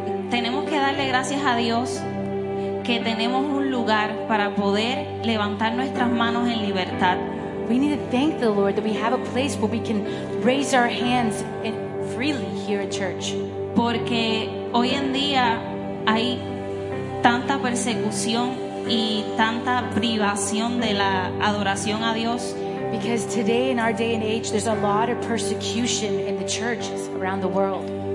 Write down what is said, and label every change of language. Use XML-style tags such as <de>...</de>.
<es>Tenemos que darle gracias a Dios que tenemos un lugar para poder levantar nuestras manos en libertad.</es> <en>We need to thank the Lord that we have a place where we can raise our hands freely here at church.</en> <es>Porque hoy en día hay tanta persecución y tanta privación de la adoración a Dios.</es> <en>Because today in our day and age there's a lot of persecution in the churches around the world.</en>